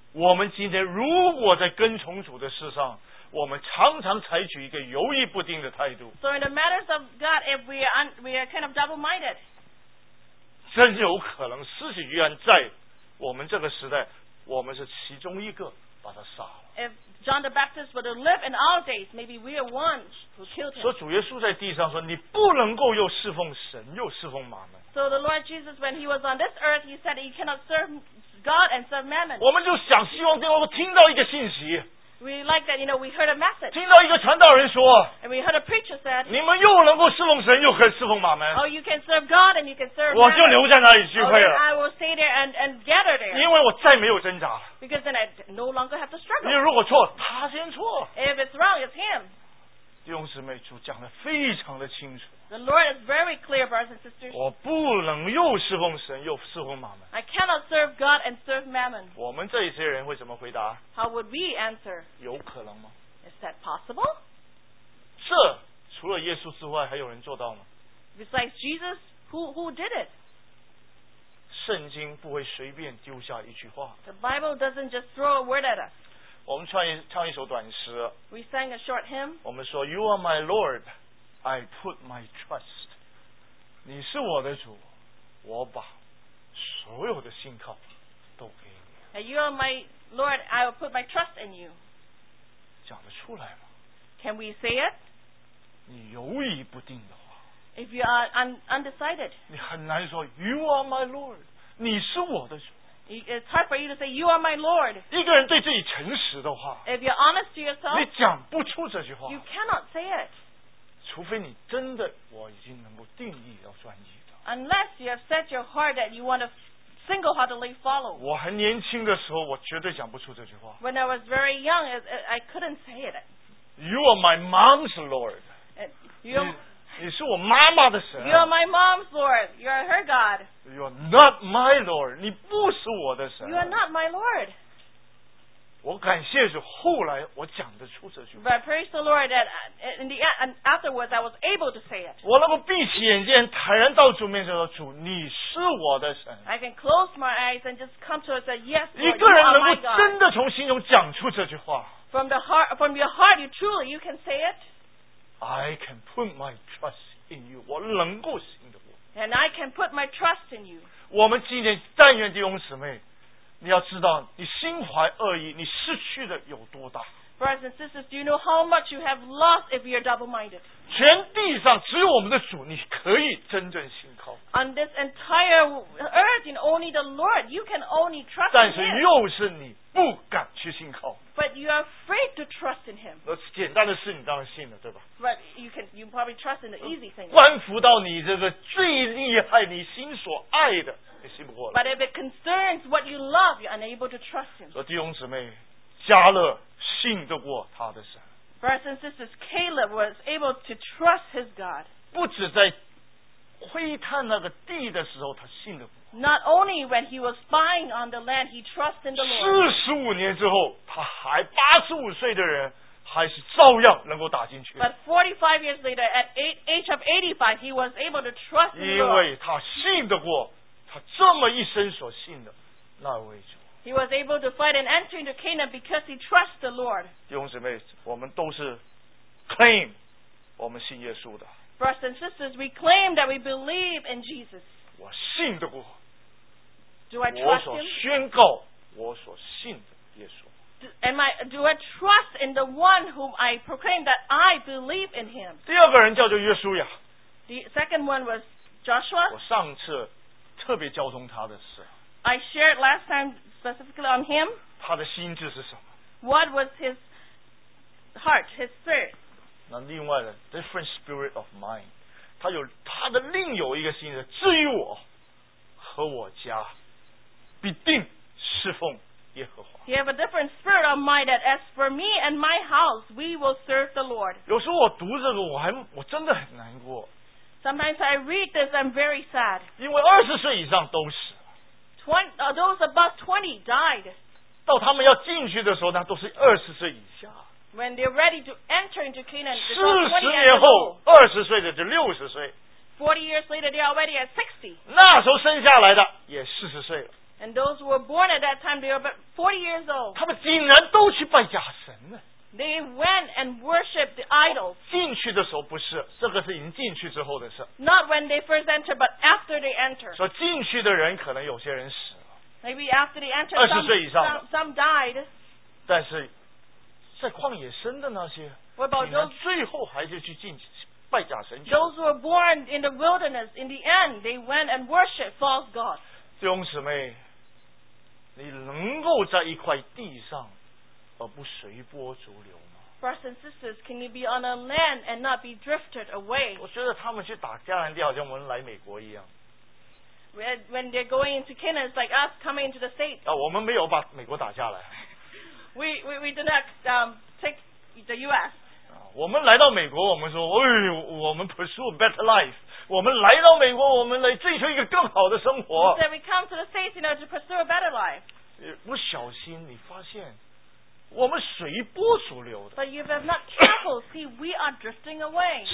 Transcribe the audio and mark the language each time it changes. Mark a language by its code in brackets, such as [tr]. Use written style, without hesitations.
[zh] 我们今天如果在跟从主的事上，我们常常采取一个犹豫不定的态度。 [en] So in the matters of God, if we are kind of double-minded, [zh] 真有可能施洗约翰在我们这个时代，我们是其中一个把他杀了。 [en] If John the Baptist were to live in our days, maybe we are one who killed him. [zh] 所以主耶稣在地上说，你不能够又侍奉神又侍奉马门。 [en] So the Lord Jesus, when he was on this earth, he said he cannot serve. God and serve mammon. [zh] 我们就想希望听到一个信息。 [en] We like that, you know, we heard a message. [zh] 听到一个传道人说。 [en] And we heard a preacher said. [zh] 你们又能够侍奉神，又可以侍奉马门。 [en] Oh, you can serve God and you can serve. [zh] 我就留在那里聚会了。 [en] Okay, I will stay there and gather there. [zh] 因为我再没有挣扎。 [en] Because then I no longer have to struggle. [zh] 因为如果错，他先错。 [en] If it's wrong, it's him. [zh] 弟兄姊妹，主讲得非常的清楚。 [en] The Lord is very clear, brothers and sisters. [zh] 我不能又侍奉神又侍奉马门。 [en] I cannot serve God and serve mammon. [zh] 我们这一些人会怎么回答？ [en] How would we answer? [zh] 有可能吗？ [en] Is that possible? [zh] 这除了耶稣之外还有人做到吗？ [en] Besides Jesus, who did it? [zh] 圣经不会随便丢下一句话。 [en] The Bible doesn't just throw a word at us. [zh] 我们唱一首短诗。 [en] We sang a short hymn. [zh] 我们说 [en] You are my Lord, I put my trust. [zh] 你是我的主，我把所有的信靠都给你。 [en] Now, You are my Lord, I will put my trust in you. [zh] 讲得出来吗？ [en] Can we say it? [zh] 你犹疑不定的话， [en] If you are undecided, [zh] 你很难说 [en] You are my Lord, [zh] 你是我的主。 [en] It's hard for you to say You are my Lord. [zh] 一个人对自己诚实的话， [en] If you're honest to yourself, [zh] 你讲不出这句话。 [en] You cannot say it. [zh] 除非你真的我已经能够定义要专一。 [en] Unless you have set your heart that you want to single-heartedly follow. [zh] 我很年轻的时候，我绝对讲不出这句话。 [en] When I was very young, I couldn't say it. You are my mom's Lord. You [zh] 是我妈妈的神。 [en] You are my mom's Lord. You are her God. You are not my Lord. [zh] 你不是我的神。 [en] You are not my Lord. [zh] 我感谢主，后来我讲得出这句话。 [en] But praise the Lord that in the afterwards I was able to say it. [zh] 我能够闭起眼睛，坦然到主面前说：“主，你是我的神。” [en] I can close my eyes and just come to and say yes. [zh] 一个人能够真的从心中讲出这句话。 [en] From your heart, you truly can say it. I can put my trust in you. [zh] 我能够信得过。 [en] And I can put my trust in you. [zh] 我们今天但愿弟兄姊妹。你要知道你心怀恶意你失去的有多大。 [en] Brothers and sisters, do you know how much you have lost if you are double-minded? [zh] 全地上只有我们的主你可以真正信靠。 [en] On this entire earth, you know, only the Lord, you can only trust in Him. [zh] 但是又是你不敢去信靠。 [en] But you are afraid to trust in Him. [zh] 简单的事你当然信了，对吧？ [en] But you probably trust in the easy thing. [zh] 关乎到你这个最厉害你心所爱的。 [en] But if it concerns what you love, you're unable to trust him. [zh] 说弟兄姊妹，加勒信得过他的神。 [en] Brothers and sisters, Caleb was able to trust his God. [zh] 不止在窥探那个地的时候，他信得过。 [en] Not only when he was spying on the land, he trusted in the Lord. [zh] 45年之后，他还85岁的人还是照样能够打进去。 [en] But 45 years later, at age of 85, he was able to trust in the Lord. [zh] 因为他信得过。他这么一生所信的那位主。 [en] He was able to fight and enter into Canaan because he trusts the Lord. [zh] 弟兄姊妹，我们都是 claim 我们信耶稣的。 [en] Brothers and sisters, we claim that we believe in Jesus. [zh] 我信得过。 [en] Do I trust him? [zh] 我所宣告我所信的耶稣。 [en] Do I trust in the one whom I proclaim that I believe in him? [zh] 第二个人叫做约书亚。 [en] The second one was Joshua. [zh] 我上次特别交通他的事。 [en] I shared last time specifically on him. [zh] 他的心智是什么？ [en] What was his heart, his spirit? [zh] 那另外的 [en] different spirit of mind, [zh] 他的另有一个心智，至于我和我家，必定侍奉耶和华。 [en] He have a different spirit of mind that as for me and my house, we will serve the Lord. [zh] 有时候我读这个，我真的很难过。 [en] Sometimes I read this, I'm very sad. [zh] 因为20岁以上都死了。 [en] Those above 20 died. [zh] 到他们要进去的时候，那都是20岁以下。 [en] When they're ready to enter into Canaan, [zh] 40年后，20岁的就60岁。 [en] 40 years later, they're already at 60. [zh] 那时候生下来的也40岁了。 [en] And those who were born at that time, they were about 40 years old. [zh] 他们竟然都去拜假神了。 [en] They went and worshipped the idols. [zh] 进去的时候不是，这个是已经进去之后的事。 [en] Not when they first enter, but after they enter. [zh] 说进去的人可能有些人死了。 [en] Maybe after they enter, [zh] 二十岁以上的 [en] some died. [zh] 但是在旷野生的那些， [en] What about those, [zh] 竟然最后还是去进拜假神。 [en] Those who were born in the wilderness, in the end, they went and worshipped false gods. [zh] 弟兄姊妹，你能够在一块地上。而不随波逐流吗？ [en] Brothers and sisters, can you be on a land and not be drifted away? [zh] 我觉得他们去打迦南地好像我们来美国一样。 [en] When they're going into Canaan, it's like us coming into the States. [zh] 啊，我们没有把美国打下来。 [en] We did not take the U.S. [zh] 我们来到美国，我们说，哎，我们 [en] pursue a better life. [zh] 我们来到美国，我们来追求一个更好的生活。 [en] Then we come to the States, you know, to pursue a better life. [zh] 不小心你发现。我们随波逐流的。 [en] But if we're not careful, see, we are drifting away.